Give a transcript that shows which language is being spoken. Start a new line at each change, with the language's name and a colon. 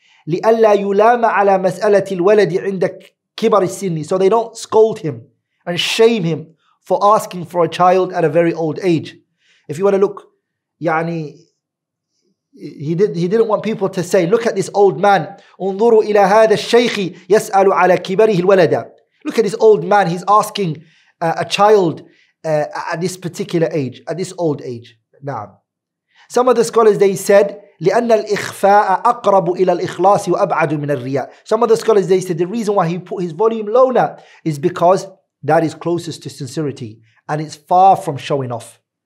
Arabic: لِأَلَّا يُلَامَ عَلَى مَسْأَلَةِ الْوَلَدِ عِنْدَ كِبَرِ السِّنِّ.
English: So they don't scold him and shame him for asking for a child at a very old age. If you want to look, يعني, he didn't want people to say, look at this old man.
Arabic: انظروا إلى هذا الشيخ يسأل على كبره الولد.
English: Look at this old man, he's asking a child at this particular age, at this old age. Na'am. Some of the scholars, they said,
Arabic: لِأَنَّ الْإِخْفَاءَ أَقْرَبُ إِلَى الْإِخْلَاصِ وَأَبْعَدُ مِنَ الرِّيَاءِ.
English: Some of the scholars, they said, the reason why he put his volume lower is because that is closest to sincerity and it's far from showing off.